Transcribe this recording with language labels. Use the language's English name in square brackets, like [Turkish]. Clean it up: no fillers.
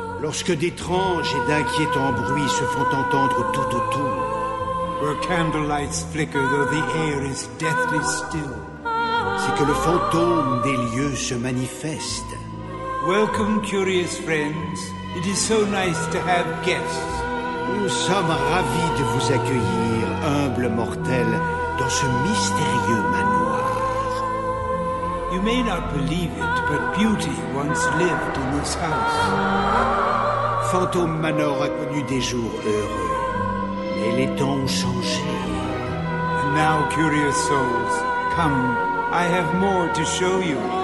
[French] Lorsque d'étranges et d'inquiétants bruits se font entendre tout autour. [English] Where candlelights flicker though the air is deathly still. [French] C'est que le fantôme des lieux se manifeste. [English] Welcome, curious friends. It is so nice to have guests. [French] Nous sommes ravis de vous accueillir, humbles mortels, dans ce mystérieux manoir. [English] You may not believe it, but beauty once lived in this house. [French] Phantom Manor a connu des jours heureux, mais les temps ont changé. [English] And now, curious souls, come, I have more to show you.